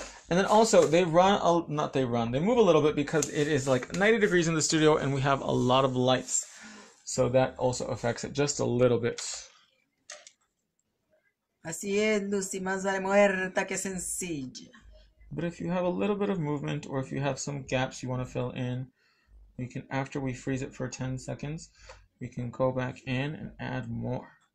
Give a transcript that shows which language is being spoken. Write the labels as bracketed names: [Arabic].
[English] And then also, they move a little bit because it is like 90 degrees in the studio and we have a lot of lights. So that also affects it just a little bit. [Spanish] Así es, Lucy, más vale muerta que sencilla. [English] But if you have a little bit of movement or if you have some gaps you want to fill in, we can, after we freeze it for 10 seconds, we can go back in and add more.